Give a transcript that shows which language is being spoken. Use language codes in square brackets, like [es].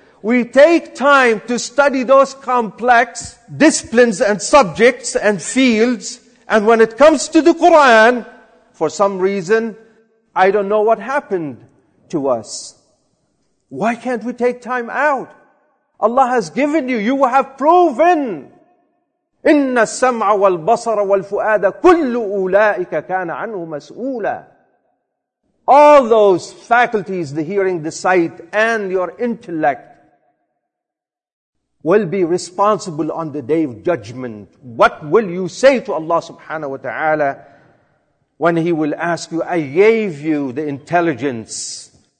[en] We take time to study those complex disciplines and subjects and fields. And when it comes to the Quran, for some reason, I don't know what happened to us. Why can't we take time out? Allah has given you. You have proven. [ar] إِنَّ السَّمْعَ وَالْبَصَرَ وَالْفُؤَادَ كُلُّ أُولَٰئِكَ كَانَ عَنْهُ مَسْؤُولًا. [en] All those faculties, the hearing, the sight, and your intellect will be responsible on the day of judgment. What will you say to Allah subhanahu wa ta'ala when He will ask you, I gave you the intelligence.